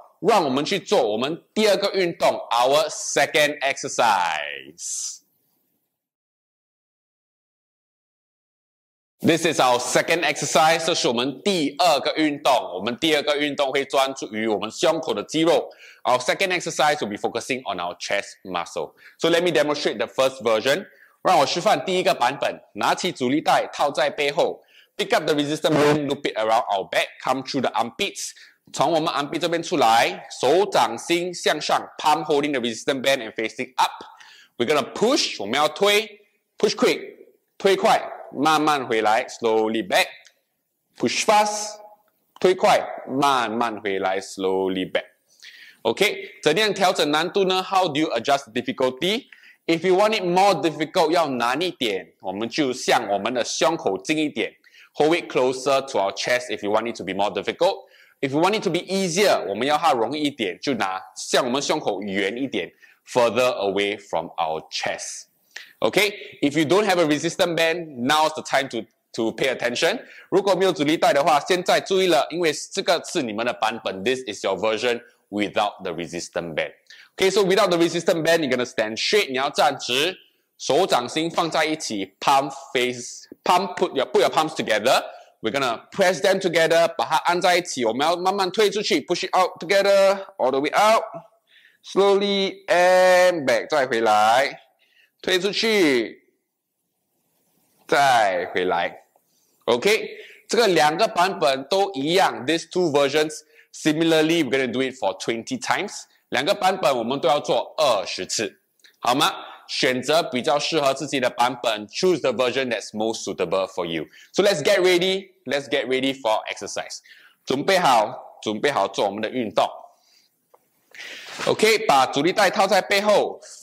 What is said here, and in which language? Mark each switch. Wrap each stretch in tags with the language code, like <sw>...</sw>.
<zh>让我们去做我们第二个运动，</zh> <en>our second exercise. This is our second exercise.</en> <zh>这是我们第二个运动。我们第二个运动会专注于我们胸口的肌肉。</zh> <en>Our second exercise will be focusing on our chest muscle. So let me demonstrate the first version.</en> <zh>让我示范第一个版本。拿起阻力带套在背后。</zh> <en>Pick up the resistance band, loop it around our back, come through the armpits.</en> <zh>从我们 armpit 这边出来。手掌心向上</zh> <en>,palm holding the resistance band and facing up. We're gonna push,</en> <zh>我们要推。</zh> <en>Push quick,</en> <zh>推快。慢慢回来</zh> <en>slowly back, push fast,</en> <zh>推快慢慢回来</zh> <en>slowly back. Okay,</en> <zh>怎样调整难度呢</zh> <en>?How do you adjust difficulty? If you want it more difficult,</en> <zh>要难一点我们就向我们的胸口近一点</zh> <en>,hold it closer to our chest if you want it to be more difficult. If you want it to be easier,</en> <zh>我们要它容易一点就拿向我们胸口远一点</zh> <en>,further away from our chest. Okay, if you don't have a resistance band, now's the time to pay attention.</en> <zh>如果没有阻力带的话，现在注意了，因为这个是你们的版本。</zh> <en>This is your version without the resistance band. Okay, so without the resistance band, you're gonna stand straight.</en> <zh>你要站直，手掌心放在一起</zh> <en>，palm face, palm put your palms together. We're gonna press them together,</en> <zh>把它按在一起。我们要慢慢推出去</zh> <en>，push it out together, all the way out, slowly and back,</en> <zh>再回来。推出去，再回来 ，OK， 这个两个版本都一样。</zh> <en>These two versions similarly, we're gonna do it for 20 times.</en> <zh>两个版本我们都要做20次，好吗？选择比较适合自己的版本 ，</zh> <en>choose the version that's most suitable for you. So let's get ready. Let's get ready for exercise.</en> <zh>准备好，准备好做我们的运动。OK， 把阻力带套在背后。</zh>